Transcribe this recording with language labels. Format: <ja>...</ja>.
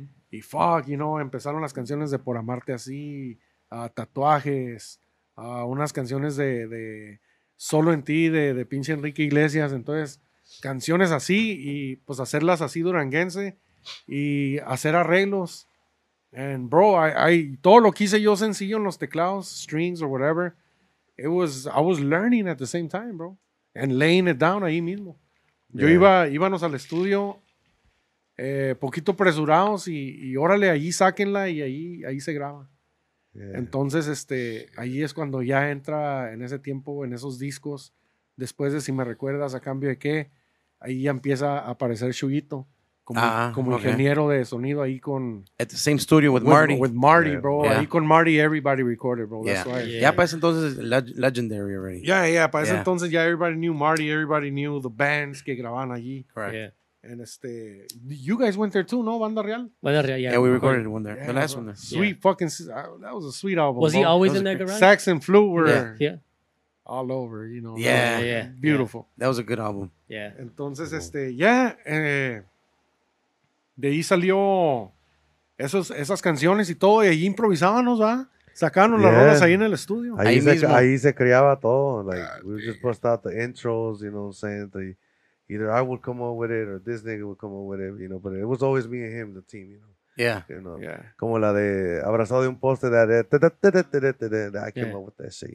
<es>Y</es> <en>fuck, you know,</en> <es>empezaron las canciones de Por Amarte Así, Tatuajes, unas canciones de Solo en Ti de pinche Enrique Iglesias. Entonces, canciones así y pues hacerlas así duranguense y hacer arreglos.</es> <en>And bro,</en> <es>todo lo quise yo sencillo en los teclados,</es> <en>strings or whatever. I was learning at the same time, bro. And laying it down</en> <es>ahí mismo. Yo íbamos al estudio poquito apresurados y órale, ahí sáquenla y ahí se graba.</es> <en>Yeah.</en> <es>Entonces, ahí es cuando ya entra en ese tiempo, en esos discos, después de Si Me Recuerdas, A Cambio de Qué, ahí ya empieza a aparecer Chuyito, como ingeniero de sonido ahí con...</es> <en>At the same studio with Marty. With Marty, yeah. Bro. Yeah.</en> <es>Ahí con</es> <en>Marty, everybody recorded, bro. That's right.</en> <es>Yeah, para ese entonces,</es> <en>legendary already. Yeah,</en> <es>para ese entonces, ya</es> <en>everybody knew Marty, everybody knew the bands</en> <es>que grababan allí.</es> <en>Correct. Yeah. And you guys went there too, no? Banda Real? Banda Real, yeah. Yeah, we recorded one there. Yeah, the last one there. Sweet fucking, that was a sweet album. Was he always in that garage? Sax and flute were all over, you know. Yeah, beautiful. Yeah. That was a good album. Yeah.</en> <es>Entonces, de ahí salió esas canciones y todo, y ahí improvisábamos, ¿va? Sacaron las rolas ahí en el estudio. Ahí se creaba todo.</es> <en>Like, God, we were just pushed out the intros, you know what I'm saying? Either I would come up with it or this nigga would come up with it, you know, but it was always me and him, the team, you know. Yeah. You know, yeah.</en> <es>Como la de</es> <en>Abrazado de un Poste, that I came up with that shit.</en>